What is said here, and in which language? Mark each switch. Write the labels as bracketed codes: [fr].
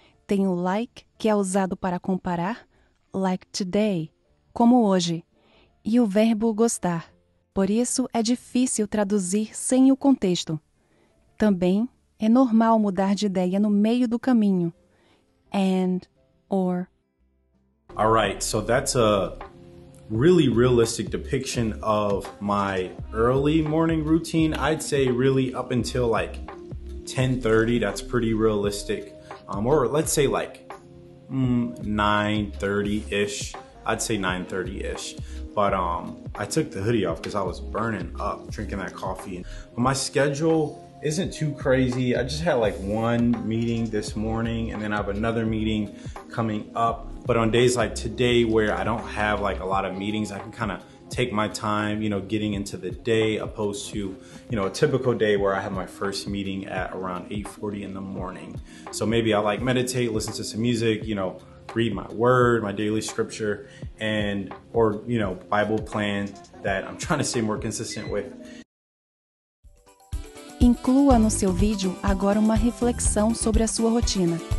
[pt] Tem o like, que é usado para comparar, like today, como hoje. E o verbo gostar. Por isso, é difícil traduzir sem o contexto. Também, é normal mudar de ideia no meio do caminho. [en] And, or. All right, so that's a really realistic depiction of my early morning routine. I'd say really up until like 10:30, that's pretty realistic. Or let's say like 9:30-ish. I'd say 9:30-ish. But I took the hoodie off because I was burning up drinking that coffee. But my schedule isn't too crazy. I just had like one meeting this morning and then I have another meeting coming up. But on days like today where I don't have like a lot of meetings, I can kind of take my time, you know, getting into the day opposed to, you know, a typical day where I have my first meeting at around 8:40 in the morning. So maybe I like meditate, listen to some music, you know, read my word, my daily scripture, and or, you know, Bible plan that I'm trying to stay more consistent with. [pt] Inclua no seu vídeo agora uma reflexão sobre a sua rotina.